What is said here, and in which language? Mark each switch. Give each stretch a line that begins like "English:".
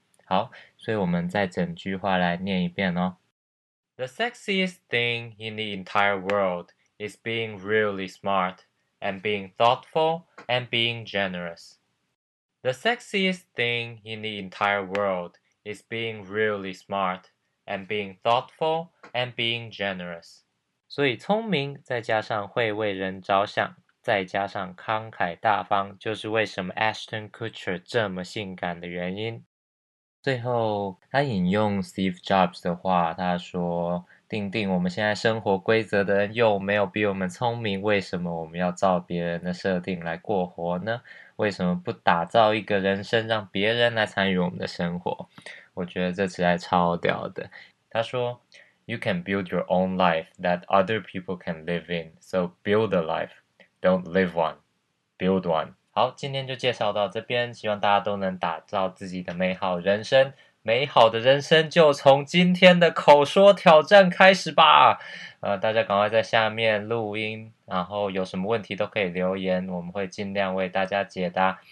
Chinese: 好，所以我们再整句话来念一遍哦。
English: The sexiest thing in the entire world is being really smart and being thoughtful and being generous. The sexiest thing in the entire world is being really smart and being thoughtful and being generous.
Chinese: 所以聪明再加上会为人着想再加上慷慨大方就是为什么 Ashton Kutcher 这么性感的原因。最后他引用 Steve Jobs 的话，他说，定定我们现在生活规则的人又没有比我们聪明，为什么我们要照别人的设定来过活呢？为什么不打造一个人生让别人来参与我们的生活？我觉得这实在超屌的。他说，
English: You can build your own life that other people can live in, so build a life, don't live one, build one.
Chinese: 好，今天就介绍到这边，希望大家都能打造自己的美好人生。美好的人生就从今天的口说挑战开始吧。大家赶快在下面录音，然后有什么问题都可以留言，我们会尽量为大家解答。